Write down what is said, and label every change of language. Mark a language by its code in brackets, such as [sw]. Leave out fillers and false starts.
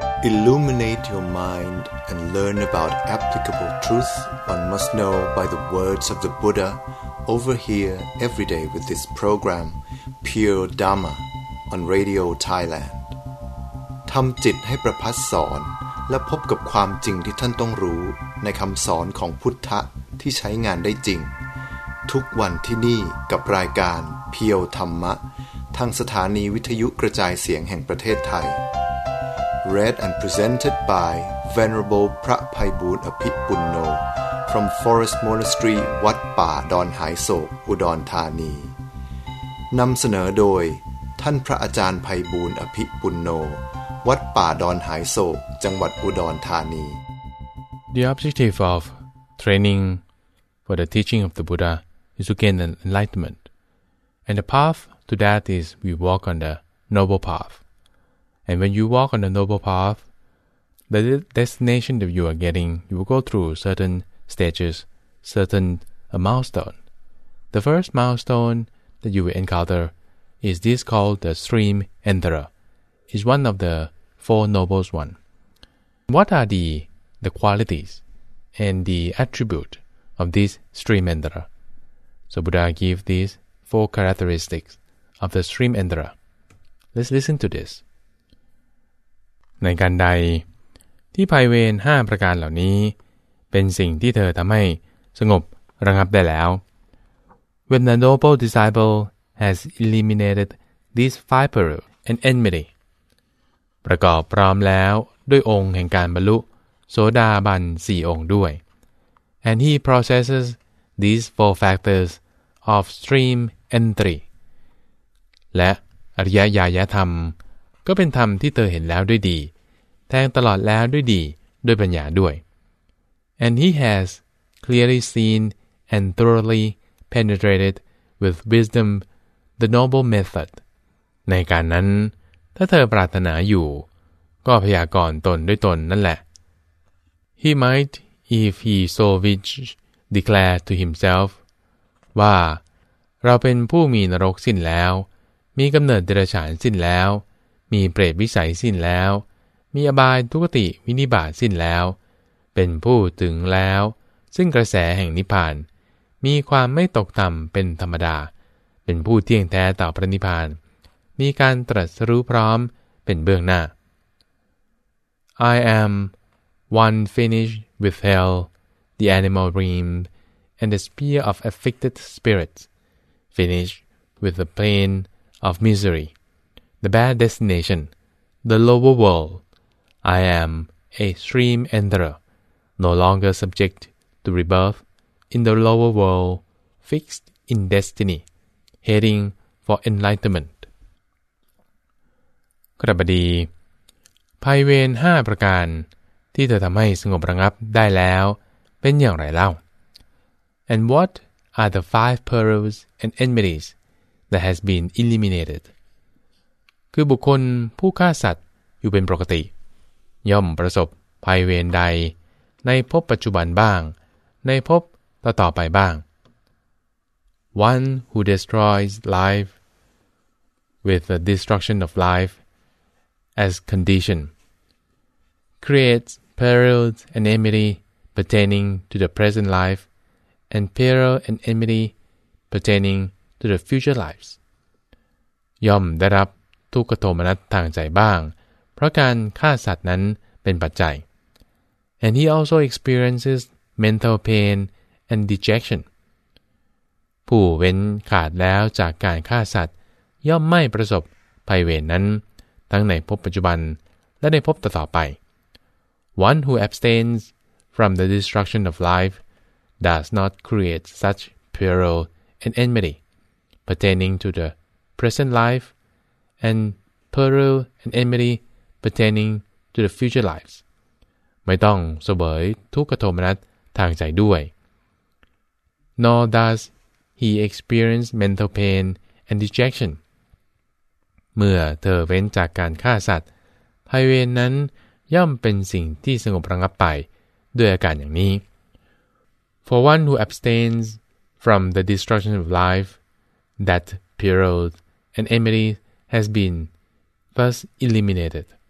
[en] Illuminate your mind and learn about applicable truth one must know by the words of the Buddha over here every day with this program, Pure Dharma, on Radio Thailand. [th] ทำจิตให้ประพัสสอนและพบกับความจริงที่ท่านต้องรู้ในคำสอนของพุทธะที่ใช้งานได้จริงทุกวันที่นี่กับรายการเพียวธรรมะทางสถานีวิทยุกระจายเสียงแห่งประเทศไทย [en] Read and presented by Venerable พระไพบูลย์อภิปุณโญ from Forest Monastery [th] วัดป่าดอนหายโศกอุดรธานีนำเสนอโดยท่านพระอาจารย์ไพบูลย์อภิปุณโญวัดป่าดอนหายโศกจังหวัดอุดรธานี [en] The objective of training for the teaching of the Buddha is to gain enlightenment, and the path to that is we walk on the noble path. And when you walk on the noble path, the destination that you are getting, you will go through certain stages, certain milestone. The first milestone that you will encounter is this called the stream enterer. It's one of the four nobles one. What are the qualities and the attribute of this stream enterer? So Buddha give these four characteristics of the stream enterer. Let's listen to this. [th] ในการใดที่ภัยเวร5ประการเหล่านี้เป็นสิ่งที่เธอทำให้สงบระงับได้แล้ว [en] When the noble disciple has eliminated these five peril and enmity [th] ประกอบพร้อมแล้วด้วยองค์แห่งการบรรลุโสดาบัน4องค์ด้วย [en] And he processes these four factors of stream entry [th] และอริยญาณธรรมก็เป็นธรรมที่เธอเห็นแล้วด้วยดีแทงตลอดแล้วด้วยดีด้วยปัญญาด้วย [en] And he has clearly seen and thoroughly penetrated with wisdom the noble method [th] ในการนั้นถ้าเธอปรารถนาอยู่ก็พยากรณ์ตนด้วยตนนั่นแหละ [en] He might if he so wish declare to himself [th] ว่าเราเป็นผู้มีนรกสิ้นแล้วมีกำเนิดเดรัจฉานสิ้นแล้วมีเปรตวิสัยสิ้นแล้วมีอบายทุกติวินิบาตสิ้นแล้วเป็นผู้ถึงแล้วซึ่งกระแสแห่งนิพพานมีความไม่ตกต่ำเป็นธรรมดาเป็นผู้เที่ยงแท้ต่อพระนิพพานมีการตรัสรู้พร้อมเป็นเบื้องหน้า [en] I am one finished with hell, the animal realm, and the sphere of afflicted spirits, finished with the pain of misery. The bad destination, the lower world. I am a stream enterer, no longer subject to rebirth in the lower world, fixed in destiny, heading for enlightenment. [th] กระบดีภัยเวร5ประการที่เธอทำให้สงบระงับได้แล้วเป็นอย่างไรเล่า [en] And what are the five perils and enmities that has been eliminated? [th] คือบุคคลผู้ฆ่าสัตว์อยู่เป็นปกติย่อมประสบภัยเวรใดในภพปัจจุบันบ้างในภพต่อๆไปบ้าง [en] One who destroys life with the destruction of life as condition creates perils and enmity pertaining to the present life and peril and enmity pertaining to the future lives [th] ย่อมได้รับทุกขโทมนัสทางใจบ้างเพราะการฆ่าสัตว์นั้นเป็นปัจจัย [en] And he also experiences mental pain and dejection [th] ผู้เว้นขาดแล้วจากการฆ่าสัตว์ย่อมไม่ประสบภัยเวรนั้นทั้งในภพปัจจุบันและในภพต่อไป [en] One who abstains from the destruction of life does not create such peril and enmity pertaining to the present lifeand peril and enmity pertaining to the future lives. [th] ไม่ต้องเสวยทุกขโทมนัสทางใจด้วย [en] Nor does he experience mental pain and dejection. [th] เมื่อเธอเว้นจากการฆ่าสัตว์ภัยเวรนั้นย่อมเป็นสิ่งที่สงบระงับไปด้วยอาการอย่างนี้ [en] For one who abstains from the destruction of life, that peril and enmity has been thus eliminated.